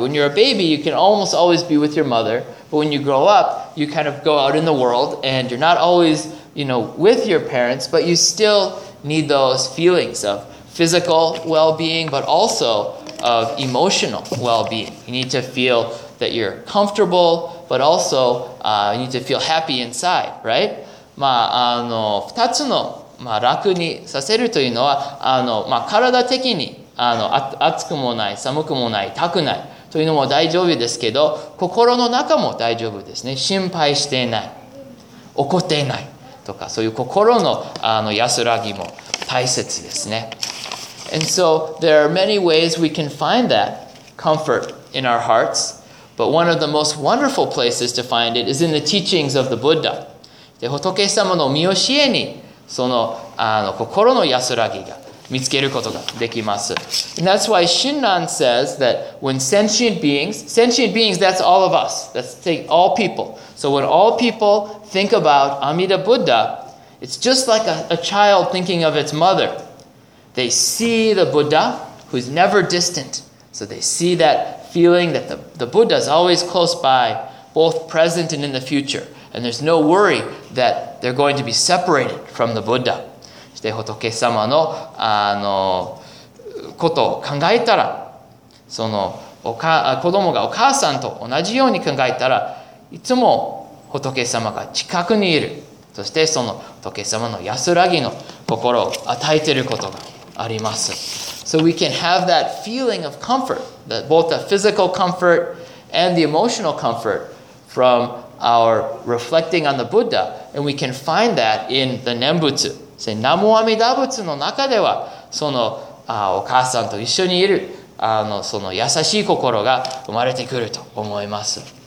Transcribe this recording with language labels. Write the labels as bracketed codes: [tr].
[en] When you're a baby, you can almost always be with your mother. But when you grow up, you kind of go out in the world and you're not always, you know, with your parents. But you still need those feelings of physical well-being, but also of emotional well-being. You need to feel that you're comfortable, but also you need to feel happy inside, right? [ja] まあ、あの、二つの、まあ、楽にさせるというのは、あの、まあ、体的に、あの、あ、暑くもない、寒くもない、痛くないというのも大丈夫ですけど、心の中も大丈夫ですね。心配していない、怒っていないとか、そういう心の、あの、安らぎも大切ですね。 [en] And so there are many ways we can find that comfort in our hearts. But one of the most wonderful places to find it is in the teachings of the Buddha. [ja] で、仏様の御教えにその、あの、心の安らぎが見つけることができます。 [en] And that's why Shinran says that when sentient beings, that's all of us. That's all people. So when all people think about Amida Buddha, it's just like a child thinking of its mother. They see the Buddha, who's never distant. So they see that feeling that the Buddha is always close by, both present and in the future. And there's no worry that they're going to be separated from the Buddha. [ja] そして仏様の、あの、ことを考えたら、その、おか、子供がお母さんと同じように考えたら、いつも仏様が近くにいる。そしてその仏様の安らぎの心を与えていることが。 [en] So we can have that feeling of comfort, that both the physical comfort and the emotional comfort from our reflecting on the Buddha, and we can find that in the Nembutsu. [ja] Say, Namu Amida Butsu の中では、その、お母さんと一緒にいる、あの、その優しい心が生まれてくると思います。